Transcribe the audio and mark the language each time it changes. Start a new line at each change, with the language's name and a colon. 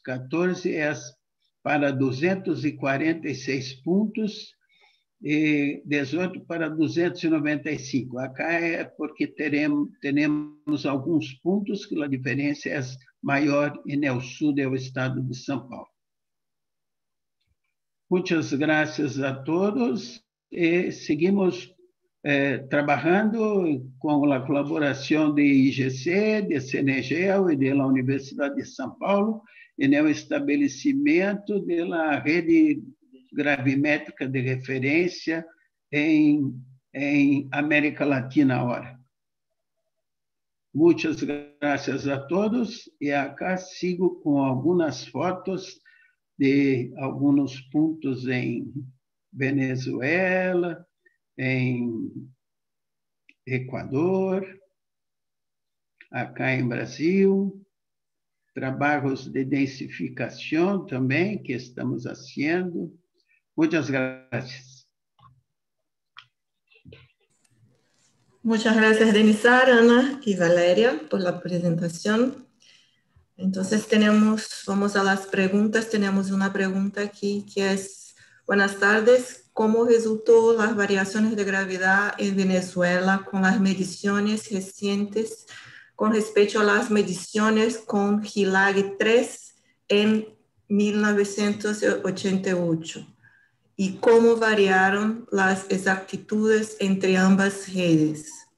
Portuguese: 14 é para 246 pontos e 18 para 295. Acá é porque temos alguns pontos que a diferença é maior no sul do estado de São Paulo.
Spanish: Muchas gracias a todos y seguimos trabajando con la colaboración de IGC, de CNGEL y de la Universidad de São Paulo en el establecimiento de la red gravimétrica de referencia en América Latina ahora. Muchas gracias a todos y acá sigo con algunas fotos de
Portuguese: alguns pontos em Venezuela, em Equador,
Spanish: acá em Brasil,
Portuguese: trabalhos de densificação também que estamos fazendo. Muitas graças.
Spanish: Muchas gracias, Denisar, Ana e Valéria, por la presentação. Entonces vamos a las preguntas. Tenemos una pregunta aquí que es, buenas tardes, ¿cómo resultó las variaciones de gravedad en Venezuela con las mediciones recientes con respecto a las mediciones con GILAG 3 en 1988? ¿Y cómo variaron las exactitudes entre ambas redes?